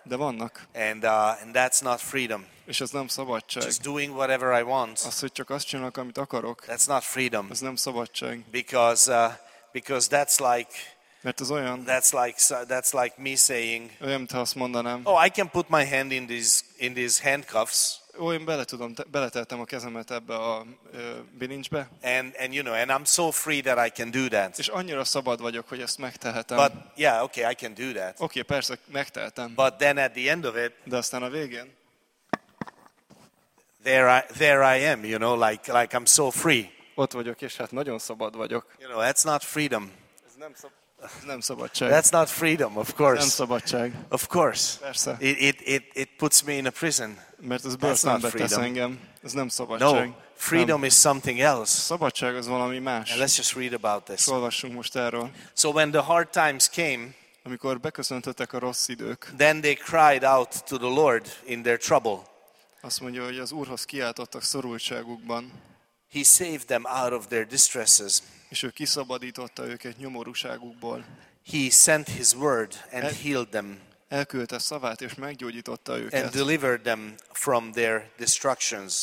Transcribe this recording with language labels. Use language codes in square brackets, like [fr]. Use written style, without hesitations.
[hu] De vannak. [en] And that's not freedom. [hu] És ez nem szabadság. [en] Just doing whatever I want. [hu] Az, hogy csak azt csinálok, amit akarok. [en] That's not freedom. [hu] Ez nem szabadság. [en] Because that's like. [hu] Mert ez olyan. [en] That's like me saying. [hu] Olyan, mintha azt mondanám. [en] Oh, I can put my hand in these handcuffs. [hu] Ó, én beletettem a kezemet ebbe a bilincsbe. [en] And you know, and I'm so free that I can do that. [hu] És annyira szabad vagyok, hogy ezt megtehetem. [en] But yeah, okay, I can do that. [hu] Okay, persze, megtehetem. [en] But then at the end of it. [hu] De aztán a végén. [en] There I am, you know, like I'm so free. [hu] Ott vagyok, és hát nagyon szabad vagyok. [en] You know, that's not freedom. [hu] Nem szabadság. [en] That's not freedom, of course. [hu] Nem szabadság. [en] Of course. [hu] Persze. [en] It puts me in a prison. [hu] Mert ez börtönbe tesz engem. Ez nem szabadság. [en] No, freedom is something else. [hu] Szabadság az valami más. [en] And let's just read about this. [hu] Olvassunk most erről. [en] So when the hard times came, [hu] amikor beköszöntöttek a rossz idők, [en] then they cried out to the Lord in their trouble. [hu] Azt mondja, hogy az Úrhoz kiáltottak szorultságukban. [en] He saved them out of their distresses. [hu] És ő kiszabadította őket nyomorúságukból. [en] He sent his word and healed them. [hu] Elküldte szavát és meggyógyította őket. [en] And delivered them from their destructions.